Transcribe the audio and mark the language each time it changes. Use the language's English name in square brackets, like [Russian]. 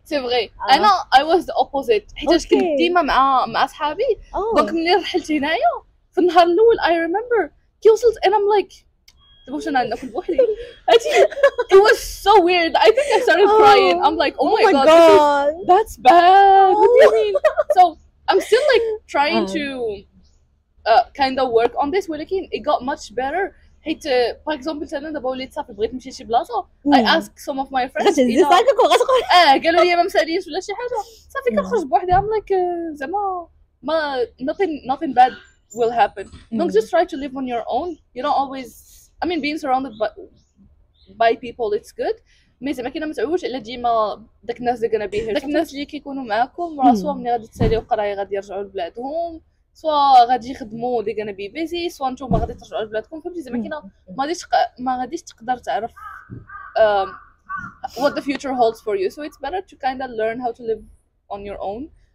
[Arabic] سي فغي أنا [English] I was the opposite [Arabic] حيتاش كنت ديما مع صحابي. دونك ملي رحلت هنايا في النهار الأول [English] I remember [Arabic] كي وصلت [English] انا um like [Arabic] دابا واش انا ناكل بوحدي؟ [English] It was so weird. I think I started crying. I'm like oh my god that's bad. What do you mean? So I'm still like trying to kind of work on this. [Arabic] ولكن [English] it got much better. [Arabic] حيت [English] for example [Arabic] مثلا دابا وليت صافي بغيت نمشي لشي بلاصة [English] I ask some of my friends. [Arabic] غتهزي صاكك وغتقول قالوا لي ما مساليينش ولا شي حاجة صافي كنخرج بوحدي. [English] I'm like [Arabic] زعما ما [English] nothing bad will happen. Don't just try to live on your own. You don't always I mean being surrounded by people it's good. [Arabic] مي زعما كاينه متعوش على ديما داك الناس اللي [English] gonna be here. [Arabic] داك الناس اللي كيكونوا معاكم راه سوا ملي غادي تساليو قرايه غادي يرجعوا لبلادهم سوا غادي يخدموا دي [English] gonna be busy [Arabic] سوا نتوما غادي ترجعوا لبلادكم. فهمتي زعما كاينه ما غاديش تقدر تعرف [English] what the future holds for you. So it's better to kind of learn how to live on your own.